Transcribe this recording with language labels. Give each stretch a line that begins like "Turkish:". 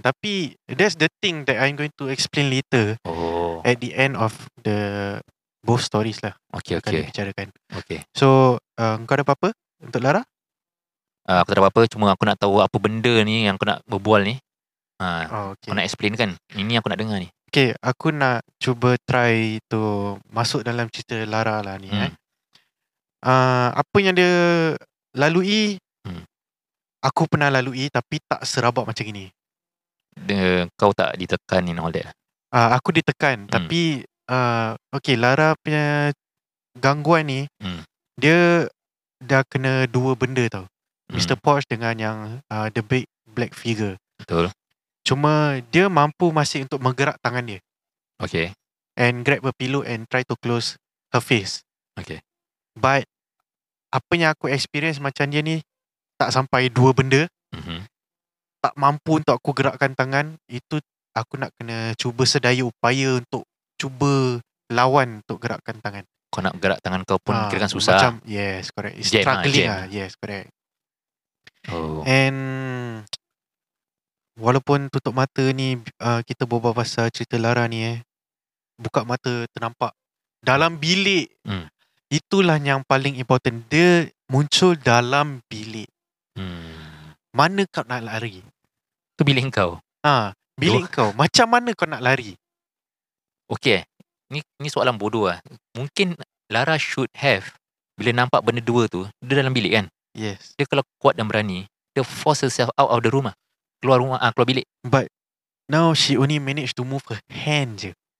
Malay: Tapi
English: that's the thing that I'm going to explain later. Oh. At the end of the both stories lah. Okay, okay.
Malay: Akan dibicarakan. Okay. So, kau ada apa-apa untuk Lara? Aku tak ada apa-apa. Cuma aku nak tahu apa benda ni yang aku nak berbual ni. Okay. Aku nak explain kan? Ini aku nak dengar ni. Okay, aku nak cuba try to masuk dalam cerita Lara lah ni. Apa yang dia lalui, aku pernah lalui tapi tak serabak macam ini. Kau tak ditekan
English: in all that?
Malay: Aku ditekan tapi okay, Lara punya gangguan ni, dia dah kena dua benda tau. Mr. Porsche dengan yang
English: the big black figure.
Malay: Betul. Cuma dia mampu masih untuk menggerak tangan dia. Okay.
English: And grab a pillow and try to close her face. Okay.
Malay: But apa yang aku experience macam dia ni, tak sampai dua benda. Tak mampu untuk aku gerakkan tangan. Itu aku nak kena cuba sedaya upaya untuk cuba lawan untuk gerakkan tangan. Kau nak gerak tangan kau pun kira kan susah. Macam,
English: yes, correct. It's jam, struggling lah. Yes, correct. Oh.
Malay: And walaupun tutup mata ni, kita berbual pasal cerita Lara ni, buka mata ternampak dalam bilik. Itulah yang paling important. Dia muncul dalam bilik. Mana kau nak lari? Tu bilik kau. Bilik kau. Macam mana kau nak lari? Okay. Ni soalan bodoh lah. Mungkin Lara
English: should have,
Malay: bila nampak benda dua tu, dia dalam bilik kan? Yes. Dia kalau kuat dan berani, dia
English: force herself out of the room
Malay: lah. Keluar rumah, keluar bilik.
English: But now she only managed to move her hand
Malay: je.